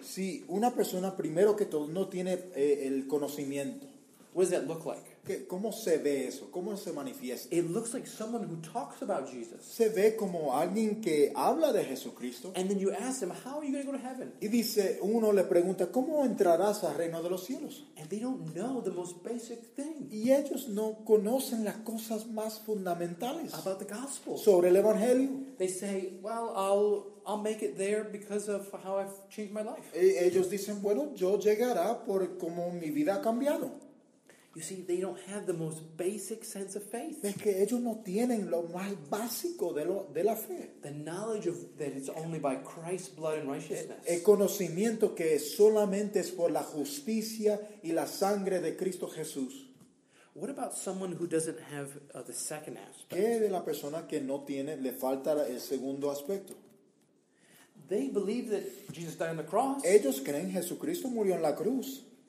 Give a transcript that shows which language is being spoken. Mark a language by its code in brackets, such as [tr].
[es] si una persona primero que todo no tiene el conocimiento, [en] what does that look like? [es] ¿Cómo se ve eso? ¿Cómo se manifiesta? [en] It looks like someone who talks about Jesus. [es] Se ve como alguien que habla de Jesucristo. [en] And then you ask them, how are you going to go to heaven? [es] Y dice, uno le pregunta, ¿cómo entrarás al reino de los cielos? [en] And they don't know the most basic thing. [es] Y ellos no conocen las cosas más fundamentales. [en] About the gospel. [es] Sobre el evangelio. [en] They say, well, I'll make it there because of how I've changed my life. [es] Y ellos dicen, bueno, yo llegará por cómo mi vida ha cambiado. [en] You see, they don't have the most basic sense of faith. [es] Es que ellos no tienen lo más básico de la fe. [en] The knowledge of that it's only by Christ's blood and righteousness. [es] El conocimiento que solamente es por la justicia y la sangre de Cristo Jesús. [en] What about someone who doesn't have the second aspect? [es] ¿Qué de la persona que no tiene, le falta el segundo aspecto? [en] They believe that Jesus died on the cross. [es] Ellos creen que Jesucristo murió en la cruz.